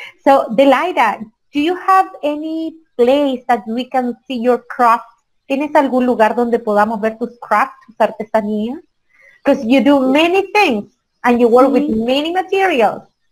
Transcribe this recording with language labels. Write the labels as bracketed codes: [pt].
[en] So, Delaida, do you have any place that we can see your craft? [es] ¿Tienes algún lugar donde podamos ver tus crafts, tus artesanías? [en] Because you do many things and you work with many materials.